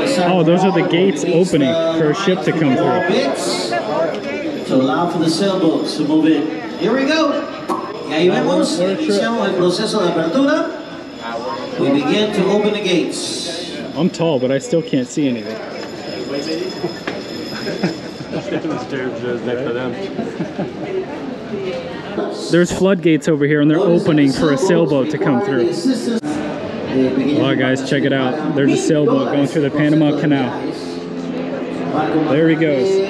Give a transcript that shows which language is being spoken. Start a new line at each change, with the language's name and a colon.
English: Oh, those are the gates opening for a ship to come through. To allow for the sailboats to move in. Here we go.
Spanish: Y ahí vemos, iniciamos el proceso de apertura.
English: We begin to open the gates. I'm tall, but I still can't see anything. There's floodgates over here, and they're opening for a sailboat to come through. Wow, guys, check it out. There's a sailboat going through the Panama Canal. There he goes.